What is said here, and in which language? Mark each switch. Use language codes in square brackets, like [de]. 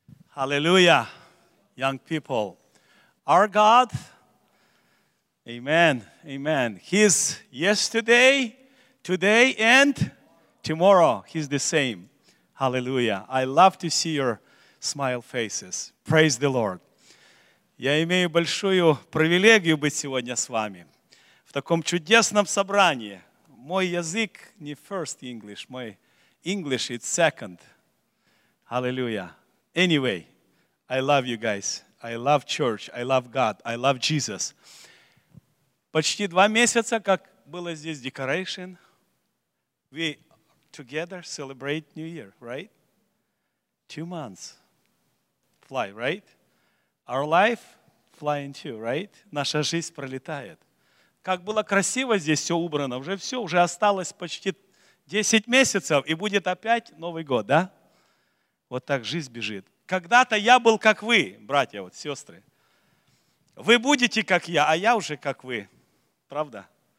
[en] Hallelujah, young people. Our God, amen, amen. He's yesterday, today, and tomorrow. He's the same. Hallelujah. I love to see your smile faces. Praise the Lord. [ru] Я имею большую привилегию быть сегодня с вами в таком чудесном собрании. Мой язык не [en] first English, my English is second. Hallelujah. Anyway, I love you guys. I love church. I love God. I love Jesus. [ru] Почти два месяца, как было здесь [en] decoration, we together celebrate New Year, right? 2 months. Fly, right? Our life flying too, right? [ru] Наша жизнь пролетает. Как было красиво здесь все убрано, уже осталось почти 10 месяцев, и будет опять Новый год, да? Вот так жизнь бежит. Когда-то я был как вы, братья, вот сестры. Вы будете как я, а я уже как вы. Правда?